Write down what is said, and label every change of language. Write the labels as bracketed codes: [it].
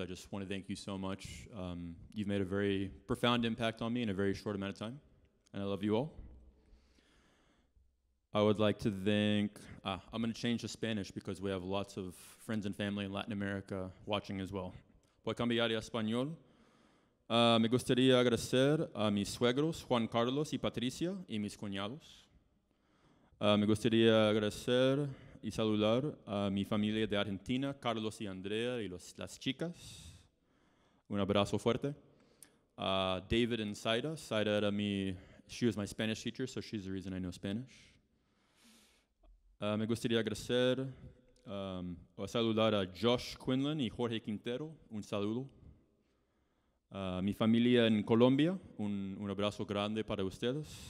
[en] I just want to thank you so much. You've made a very profound impact on me in a very short amount of time, and I love you all. I would like to thank, I'm going to change to Spanish because we have lots of friends and family in Latin America watching as well. [es] Voy a cambiar a español. Me gustaría agradecer a mis suegros, Juan Carlos y Patricia, y mis cuñados. Me gustaría agradecer y saludar a mi familia de Argentina, Carlos y Andrea, y las chicas. Un abrazo fuerte. David and Saida. Saida era mi, [en] she was my Spanish teacher, so she's the reason I know Spanish. [es] Me gustaría agradecer o saludar a Josh Quinlan y Jorge Quintero. Un saludo. Mi familia en Colombia. Un abrazo grande para ustedes.